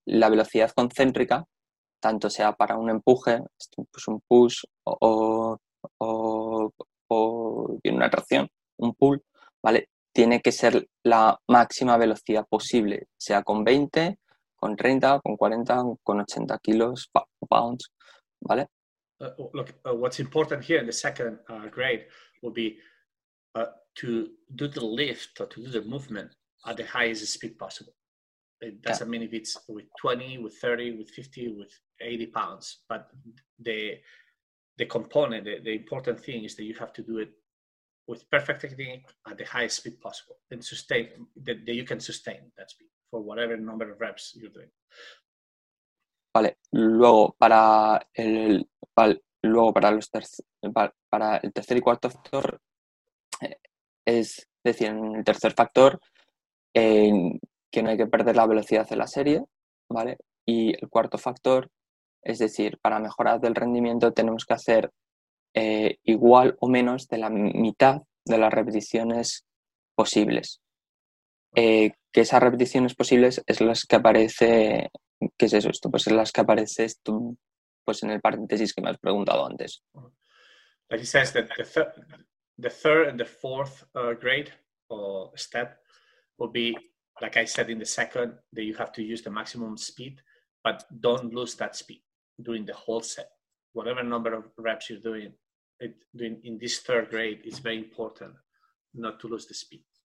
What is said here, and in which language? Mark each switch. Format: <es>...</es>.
<es>La velocidad concéntrica, tanto sea para un empuje, pues un push o tiene una tracción, un pull, ¿vale? Tiene que ser la máxima velocidad posible, sea con 20, con 30, con 40, con 80 kilos, pounds, ¿vale?</es> <en>Look, what's important here in the second grade will be to do the lift or to do the movement at the highest speed possible. It doesn't mean if it's with 20, with 30, with 50, with 80 pounds, but the component, the important thing is that you have to do it with perfect technique at the highest speed possible and sustain that you can sustain that speed for whatever number of reps you're doing.</en> <es>Vale, luego para el tercer y cuarto factor, es decir, en el tercer factor, que no hay que perder la velocidad de la serie, ¿vale? Y el cuarto factor, es decir, para mejorar del rendimiento tenemos que hacer igual o menos de la mitad de las repeticiones posibles. Que esas repeticiones posibles es las que aparece, ¿qué es eso? Esto, pues es las que aparece esto, pues en el paréntesis que me has preguntado antes.</es> <en>Like he says that the third and the fourth grade or step will be, like I said in the second, that you have to use the maximum speed, but don't lose that speed during the whole set. Whatever number of reps you're doing, doing in this third grade, it's very important not to lose the speed.</en>